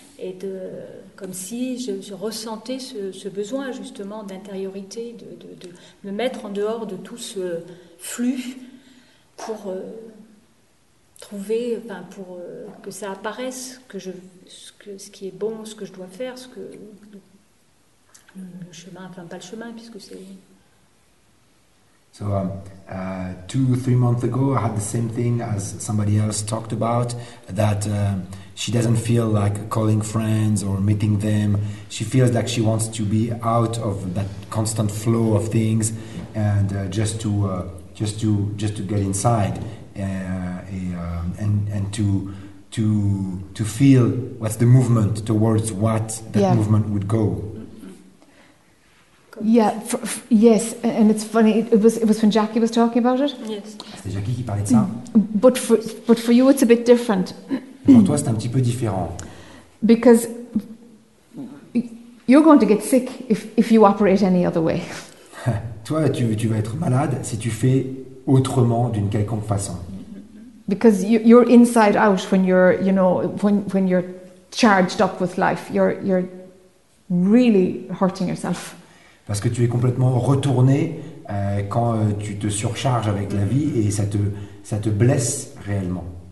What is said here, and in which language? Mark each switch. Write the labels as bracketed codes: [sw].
[fr] et de, comme si je ressentais ce besoin justement d'intériorité, de me mettre en dehors de tout ce flux pour trouver, enfin, pour que ça apparaisse, ce qui est bon, ce que je dois faire, ce que le chemin, enfin pas le chemin, puisque c'est... [en] So, two, 3 months ago, I had the same thing as somebody else talked about, that she doesn't feel like calling friends or meeting them. She feels like she wants to be out of that constant flow of things and just to get inside and to feel what's the movement towards what that yeah. movement would go. Yeah, yes, and it's funny. It was when Jackie was talking about it. Yes. [fr] C'est Jackie qui parlait de ça. [en] But for you, it's a bit different. [fr] Pour toi, c'est un petit peu différent. [en] Because you're going to get sick if you operate any other way. [fr] Toi, tu vas être malade si tu fais autrement d'une quelconque façon. [en] Because you're inside out when you're, you know, when you're charged up with life, you're really hurting yourself. [fr] Parce que tu es complètement retourné quand tu te surcharges avec la vie et ça te blesse réellement.